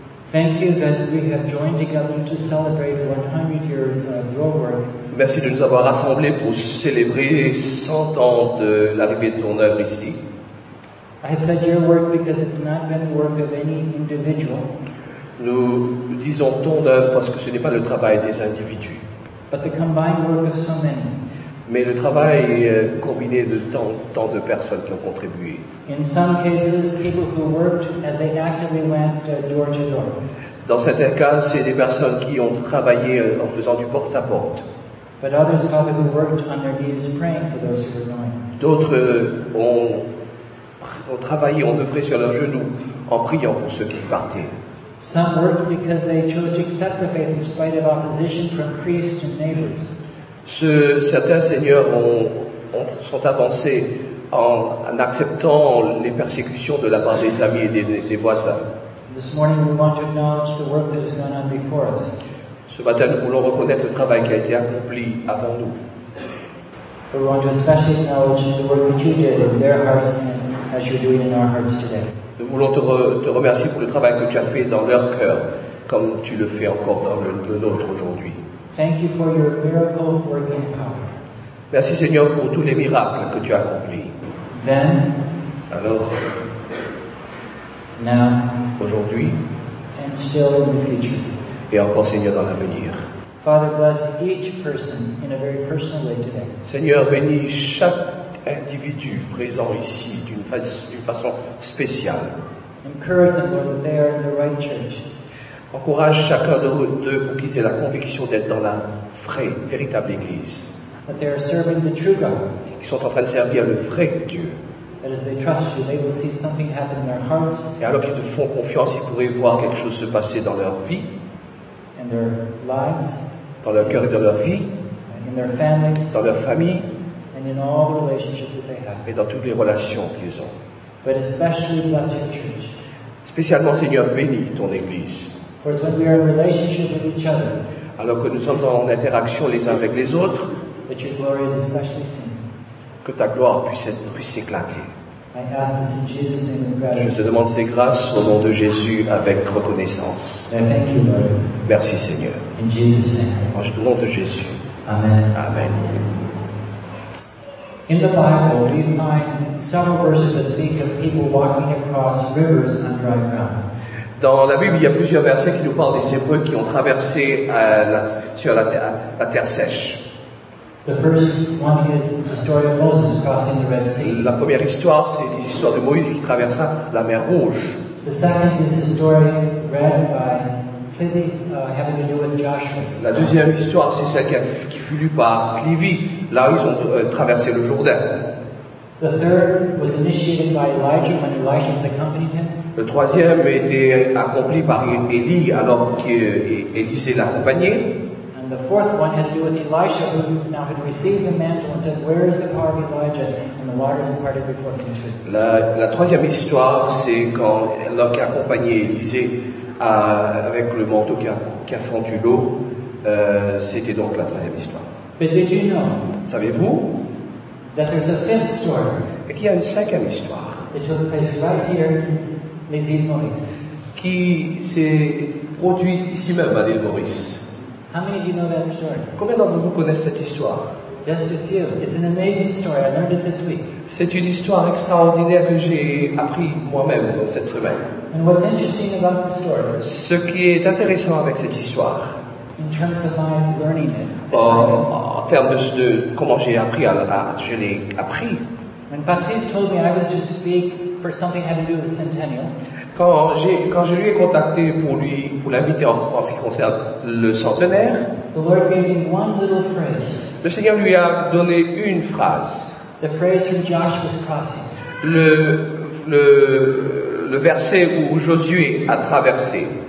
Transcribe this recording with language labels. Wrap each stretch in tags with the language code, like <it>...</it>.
<en>Thank you that we have joined together to celebrate 100 years of your work.</en> <fr>Merci de nous avoir rassemblés pour célébrer 100 ans de l'arrivée de ton œuvre ici.</fr> <en>I have said your work because it's not been the work of any individual.</en> <fr>Nous disons ton œuvre parce que ce n'est pas le travail des individus.</fr> <en>But the combined work of so many.</en> <fr>Mais le travail combiné de tant de personnes qui ont contribué.</fr> <en>In some cases, people who worked as they actively went door to door.</en> <fr>Dans certains cas, c'est des personnes qui ont travaillé en faisant du porte-à-porte.</fr> <en>But others, Father, who worked on their knees praying for those who were going.</en> <fr>D'autres ont travaillé, ont œuvré sur leurs genoux en priant pour ceux qui partaient.</fr> <en>Some worked because they chose to accept the faith in spite of opposition from priests and neighbors.</en> <fr>Certains seigneurs sont avancés en acceptant les persécutions de la part des amis et des voisins.</fr> <en>This morning we want to acknowledge the work that has gone on before us.</en> <fr>Ce matin, nous voulons reconnaître le travail qui a été accompli avant nous.</fr> <en>We want to especially acknowledge the work that you did in their hearts and as you're doing in our hearts today.</en> <fr>Nous voulons te remercier pour le travail que tu as fait dans leur cœur, comme tu le fais encore dans le nôtre aujourd'hui.</fr> <en>Thank you for your miracle working power.</en> <fr>Merci Seigneur pour tous les miracles que tu as accomplis.</fr> <en>Then,</en> <fr>alors,</fr> <en>now,</en> <fr>aujourd'hui,</fr> <en>and still in the future.</en> <fr>Et encore Seigneur dans l'avenir.</fr> <en>Father, bless each person in a very personal way today.</en> <fr>Seigneur, bénis chaque individu présent ici d'une façon spéciale.</fr> <en>Encourage them, Lord, that they are in the right church.</en> <fr>Encourage chacun d'eux pour qu'ils aient la conviction d'être dans la vraie, véritable Église.</fr> <en>That they are serving the true God.</en> <fr>Qu'ils sont en train de servir le vrai Dieu.</fr> <en>That as they trust you, they will see something happen in their hearts.</en> <fr>Et alors qu'ils te font confiance, ils pourraient voir quelque chose se passer dans leur vie.</fr> <en>And their lives.</en> <fr>Dans leur cœur et dans leur vie.</fr> <en>In their families.</en> <fr>Dans leur famille.</fr> <en>And in all the relationships that they have.</en> <fr>Et dans toutes les relations qu'ils ont.</fr> <en>But especially bless your church.</en> <fr>Spécialement, Seigneur, bénis ton Église.</fr> <en>For it's when we are in relationship with each other.</en> <fr>Alors que nous sommes en interaction les uns avec les autres.</fr> <en>That your glory is especially seen.</en> <fr>Que ta gloire puisse éclater.</fr> <en>I ask this in Jesus' name with gratitude.</en> <fr>Je te demande ces grâces au nom de Jésus avec reconnaissance.</fr> <en>And thank you, Lord.</en> <fr>Merci, Seigneur.</fr> <en>In Jesus' name.</en> <fr>Au nom de Jésus.</fr> <en>Amen.</en> <fr>Amen.</fr> <en>In the Bible, we find several verses that speak of people walking across rivers on dry ground.</en> <fr>Dans la Bible, il y a plusieurs versets qui nous parlent des Hébreux qui ont traversé la terre sèche.</fr> <en>The first one is the story of Moses crossing the Red Sea.</en> <fr>La première histoire, c'est l'histoire de Moïse qui traversa la mer Rouge.</fr> <en>The second is the story read by Clivy, having to do with Joshua's.</en> <fr>La deuxième histoire, c'est celle qui fut lue par Clivy. Là, ils ont traversé le Jourdain.</fr> <en>The third was initiated by Elijah when Elijah was accompanied him.</en> <fr>Le troisième a été accompli par Élie alors qu'Élisée l'accompagnait.</fr> <en>And the fourth one had to do with Elisha who now had received the mantle and said, "Where is the power of Elijah?" And the waters parted before him.</en> <fr>La troisième histoire, c'est quand l'homme qui accompagnait Élisée avec le manteau qui a fendu l'eau, c'était donc la troisième histoire.</fr> <en>But did you know?</en> <fr>Savez-vous?</fr> <en>That there's a fifth story.</en> <fr>Et qu'il y a une cinquième histoire.</fr> <en>It took place right here.</en> <fr>Les îles Maurice. Qui s'est produit ici même à l'île Maurice.</fr> <en>How many of you know that story?</en> <fr>Combien d'entre vous connaissent cette histoire?</fr> <en>Just a few. It's an amazing story. I learned it this week.</en> <fr>C'est une histoire extraordinaire que j'ai appris moi-même cette semaine.</fr> <en>And what's interesting about the story?</en> <fr>Ce qui est intéressant avec cette histoire.</fr> <en>In terms of my learning it.</en> <fr>En termes de comment j'ai appris, je l'ai appris.</fr> <en>When Patrice told me I was to speak. For something having to do with the centennial.</en> <fr>Quand je lui ai contacté pour l'inviter en ce qui concerne le centenaire,</fr> <en>the Lord gave me one little phrase.</en> <fr>Le Seigneur lui a donné une phrase.</fr> <en>The phrase from Joshua's crossing.</en> <fr>Le verset où Josué a traversé.</fr>